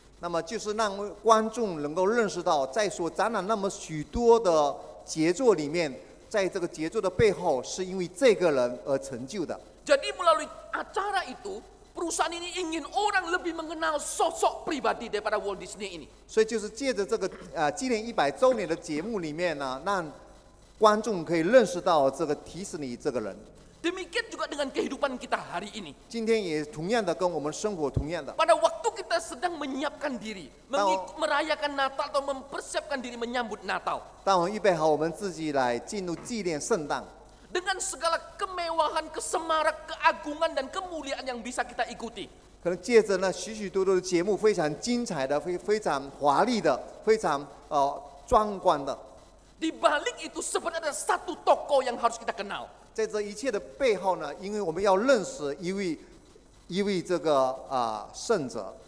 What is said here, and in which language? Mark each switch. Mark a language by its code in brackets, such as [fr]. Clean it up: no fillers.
[zh] 那么就是让观众能够认识到，在所展览那么许多的杰作里面，在这个杰作的背后，是因为这个人而成就的。 [id] Jadi melalui acara itu, perusahaan ini ingin orang lebih mengenal sosok pribadi daripada Walt Disney ini. [zh] 所以就是借着这个纪念100周年的节目里面呢，让观众可以认识到这个迪士尼这个人。 [id] Demikian juga dengan kehidupan kita hari ini. [zh] 今天也同样的跟我们生活同样的。 [id] Pada waktu kita sedang menyiapkan diri, merayakan Natal atau mempersiapkan diri menyambut Natal. [zh] 当我们预备好我们自己来进入纪念圣诞。 [id] Dengan segala kemewahan, kesemarak, keagungan dan kemuliaan yang bisa kita ikuti. [zh] 可能借着那许许多多的节目，非常精彩的，非常华丽的，非常壮观的。 [id] Di balik itu sebenarnya ada satu tokoh yang harus kita kenal. [zh] 在这一切的背后呢，因为我们要认识一位这个圣者。